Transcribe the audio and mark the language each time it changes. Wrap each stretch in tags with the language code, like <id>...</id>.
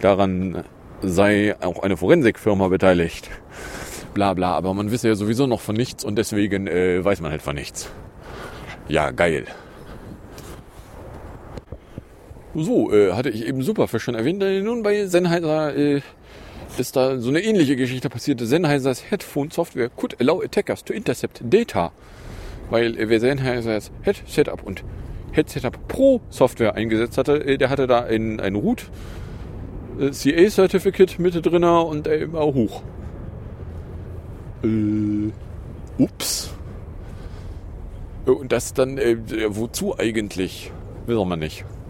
<de>Daran sei auch eine Forensikfirma beteiligt. Blabla, aber man wisse ja sowieso noch von nichts und deswegen weiß man halt von nichts. Ja, geil. So, hatte ich eben Superfisch schon erwähnt. Nun, bei Sennheiser ist da so eine ähnliche Geschichte passiert.</de> <en>Sennheisers Headphone-Software could allow attackers to intercept data.</en> <de>Weil wer Sennheisers Head-Setup und Head-Setup Pro-Software eingesetzt hatte, der hatte da ein Root CA-Certificate mit drin und eben auch hoch. Ups. Und das dann, wozu eigentlich? Wissen wir nicht.</de>